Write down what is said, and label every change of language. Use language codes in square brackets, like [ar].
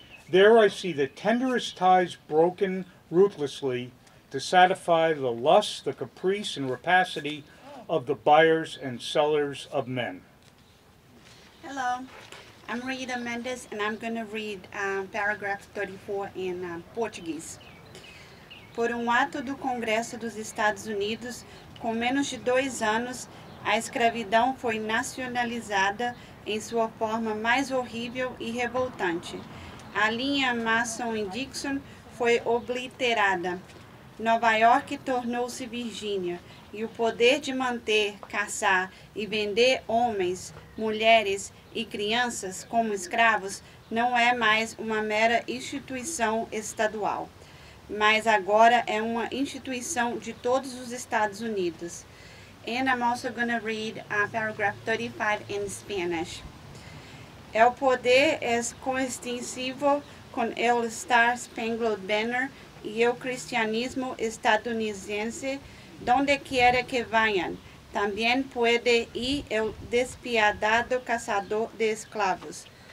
[en] There I see the tenderest ties broken ruthlessly to satisfy the lust, the caprice, and rapacity of the buyers and sellers of men. Hello, I'm Rita Mendes, and I'm going to read paragraph 34 in Portuguese. [pt] Por ato do Congresso dos Estados Unidos, com menos de 2 anos, a escravidão foi nacionalizada em sua forma mais horrível e revoltante. A linha Mason e Dixon foi obliterada. Nova York tornou-se Virgínia, e o poder de manter, caçar e vender homens, mulheres e crianças como escravos não é mais uma mera instituição estadual, mas agora é uma instituição de todos os Estados Unidos. [en] And I'm also going to read paragraph 35 in Spanish. [es] El poder es coextensivo con el Star Spangled Banner y el cristianismo estadounidense donde quiera que vayan. También puede ir el despiadado cazador de esclavos.